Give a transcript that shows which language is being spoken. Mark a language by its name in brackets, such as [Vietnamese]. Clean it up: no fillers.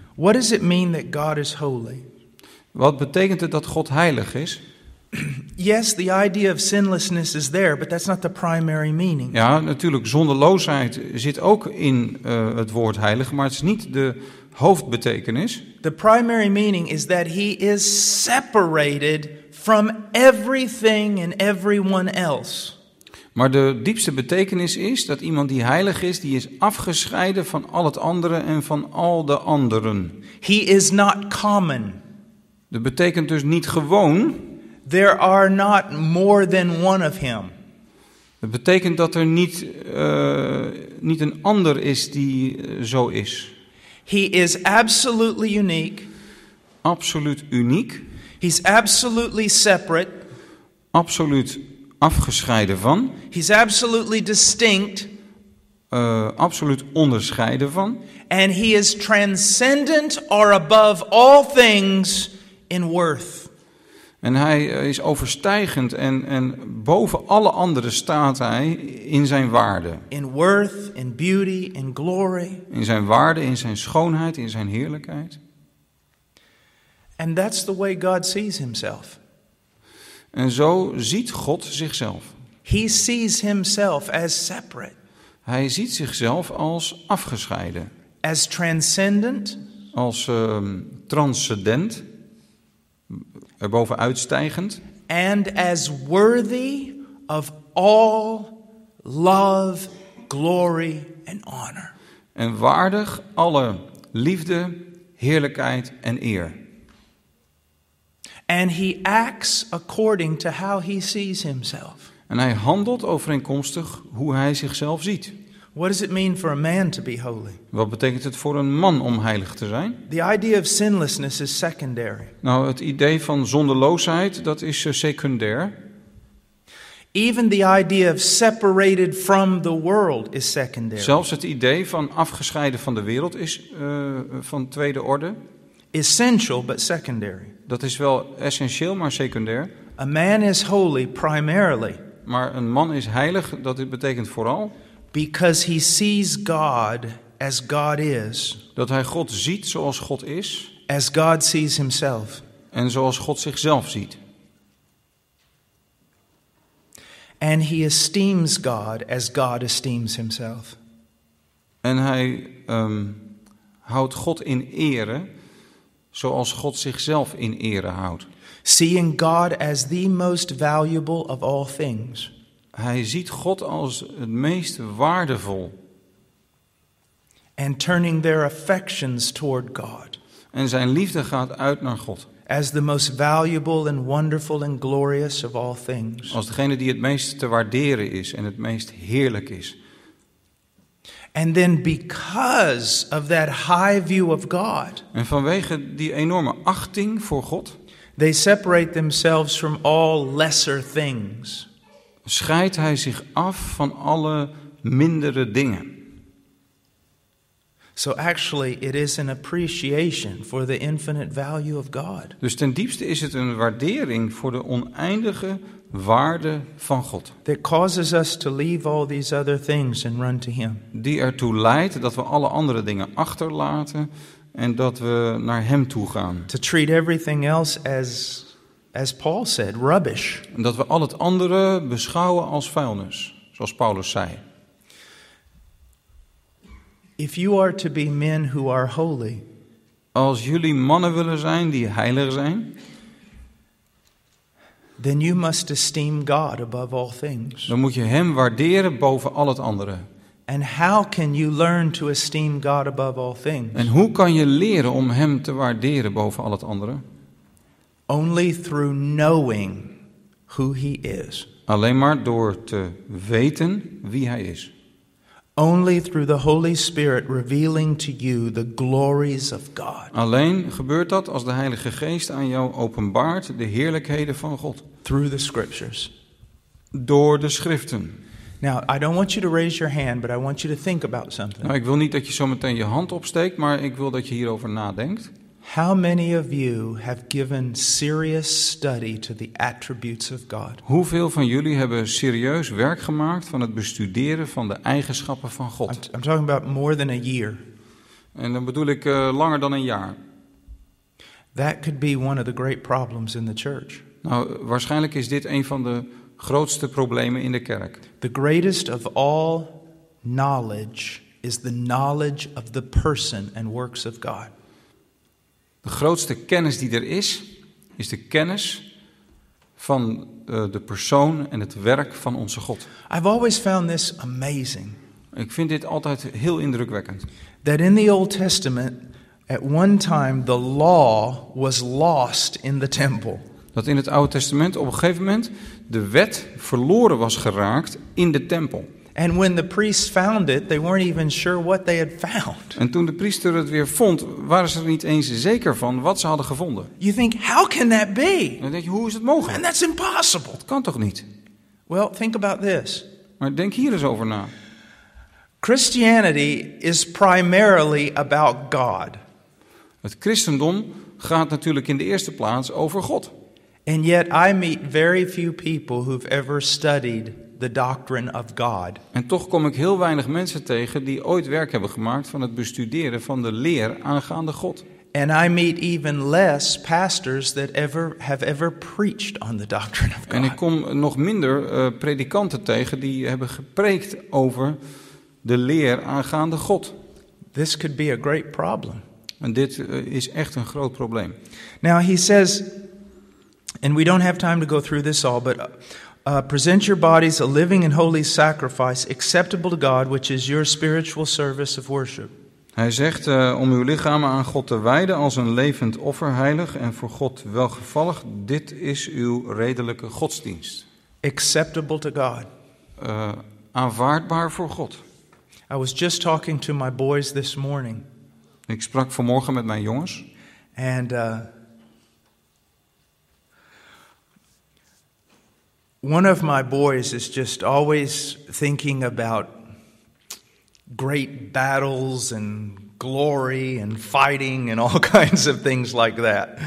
[English] What does it mean that God is holy? [Dutch] Wat betekent het dat God heilig is? [English] Yes, the idea of sinlessness is there, but that's not the primary meaning. [Dutch] Ja, natuurlijk, zondeloosheid zit ook in het woord heilig, maar het is niet de hoofdbetekenis. [English] The primary meaning is that he is separated from everything and everyone else. [Dutch] Maar de diepste betekenis is dat iemand die heilig is, die is afgescheiden van al het andere en van al de anderen. [English] He is not common. [Dutch] Dat betekent dus niet gewoon. [English] There are not more than one of him. [Dutch] Dat betekent dat er niet niet een ander is die zo is. [English] He is absolutely unique. [Dutch] Absoluut uniek. [English] He's absolutely separate. [Dutch] Absoluut afgescheiden van. [English] He's absolutely distinct. [Dutch] Absoluut onderscheiden van. [English] And he is transcendent or above all things in worth. [Dutch] En hij is overstijgend en boven alle anderen staat hij in zijn waarde. [English] In worth, in beauty, in glory. [Dutch] In zijn waarde, in zijn schoonheid, in zijn heerlijkheid. [English] And that's the way God sees himself. [Dutch] En zo ziet God zichzelf. [English] He sees himself as separate. [Dutch] Hij ziet zichzelf als afgescheiden. [English] As transcendent. [Dutch] Als transcendent. Erboven uitstijgend. [English] And as worthy of all love, glory and honor. [Dutch] En waardig alle liefde, heerlijkheid en eer. [English] And he acts according to how he sees himself. [Dutch] En hij handelt overeenkomstig hoe hij zichzelf ziet. [English] What does it mean for a man to be holy? [Dutch] Wat betekent het voor een man om heilig te zijn? [English] The idea of sinlessness is secondary. [Dutch] Nou, het idee van zondeloosheid, dat is secundair. [English] Even the idea of separated from the world is secondary. [Dutch] Zelfs het idee van afgescheiden van de wereld is van tweede orde. [English] Essential but secondary. [Dutch] Dat is wel essentieel, maar secundair. [English] A man is holy primarily. [Dutch] Maar een man is heilig, dat betekent vooral. [English] Because he sees God as God is. [Dutch] Dat hij God ziet zoals God is. [English] As God sees himself. [Dutch] En zoals God zichzelf ziet. [English] And he esteems God as God esteems himself. [Dutch] En hij houdt God in ere zoals God zichzelf in ere houdt. [English] Seeing God as the most valuable of all things. [Dutch] Hij ziet God als het meest waardevol. [English] And turning their affections toward God. [Dutch] En zijn liefde gaat uit naar God. [English] As the most valuable and wonderful and glorious of all things. [Dutch] Als degene die het meest te waarderen is en het meest heerlijk is. [English] And then because of that high view of God. [Dutch] En vanwege die enorme achting voor God. [English] They separate themselves from all lesser things. [Dutch] Scheidt hij zich af van alle mindere dingen. [English] So actually it is an appreciation for the infinite value of God. [Dutch] Dus ten diepste is het een waardering voor de oneindige waarde van God. [English] That causes us to leave all these other things and run to him. [Dutch] Die ertoe leidt dat we alle andere dingen achterlaten en dat we naar hem toe gaan. [English] To treat everything else as Paul said, rubbish. [Dutch] Dat we al het andere beschouwen als vuilnis, zoals Paulus zei. [English] If you are to be men who are holy, [Dutch] als jullie mannen willen zijn die heilig zijn, [English] then you must esteem God above all things. [Dutch] Dan moet je hem waarderen boven al het andere. [English] And how can you learn to esteem God above all things? [Dutch] En hoe kan je leren om hem te waarderen boven al het andere? [English] Only through knowing who he is. [Dutch] Alleen maar door te weten wie hij is. [English] Only through the Holy Spirit revealing to you the glories of God. [Dutch] Alleen gebeurt dat als de Heilige Geest aan jou openbaart de heerlijkheden van God. [English] Through the scriptures. [Dutch] Door de schriften. [English] Now, I don't want you to raise your hand, but I want you to think about something. [Dutch] Nou, ik wil niet dat je zometeen je hand opsteekt, maar ik wil dat je hierover nadenkt. [English] How many of you have given serious study to the attributes of God? [Dutch] Hoeveel van jullie hebben serieus werk gemaakt van het bestuderen van de eigenschappen van God? [English] I'm talking about more than a year. [Dutch] En dan bedoel ik langer dan een jaar. [English] That could be one of the great problems in the church. [Dutch] Nou, waarschijnlijk is dit een van de grootste problemen in de kerk. [English] The greatest of all knowledge is the knowledge of the person and works of God. [Dutch] De grootste kennis die er is, is de kennis van de persoon en het werk van onze God. [English] I've always found this amazing. [Dutch] Ik vind dit altijd heel indrukwekkend. [English] That in the Old Testament, at one time, the law was lost in the temple. [Dutch] Dat in het Oude Testament op een gegeven moment de wet verloren was geraakt in de tempel. [English] And when the priests found it, they weren't even sure what they had found. [Dutch] En toen de priester het weer vond, waren ze er niet eens zeker van wat ze hadden gevonden. [English] You think, how can that be? [Dutch] Dan denk je, hoe is het mogelijk? [English] And that's impossible. [Dutch] Dat kan toch niet? [English] Well, think about this. [Dutch] Maar denk hier eens over na. [English] Christianity is primarily about God. [Dutch] Het christendom gaat natuurlijk in de eerste plaats over God. [English] And yet I meet very few people who've ever studied the doctrine of God. [Dutch] En toch kom ik heel weinig mensen tegen die ooit werk hebben gemaakt van het bestuderen van de leer aangaande God. [English] And I meet even less pastors that ever have ever preached on the doctrine of God. [Dutch] En ik kom nog minder predikanten tegen die hebben gepreekt over de leer aangaande God. [English] This could be a great problem. [Dutch] En dit is echt een groot probleem. [English] Now he says, and we don't have time to go through this all, but present your bodies a living and holy sacrifice acceptable to God, which is your spiritual service of worship. [Dutch] Hij zegt om uw lichamen aan God te wijden als een levend offer, heilig en voor God welgevallig. Dit is uw redelijke godsdienst. [English] Acceptable to God. [Dutch] Aanvaardbaar voor God. [English] I was just talking to my boys this morning. [Dutch] Ik sprak vanmorgen met mijn jongens. [English] And one of my boys is just always thinking about great battles and glory and fighting and all kinds of things like that.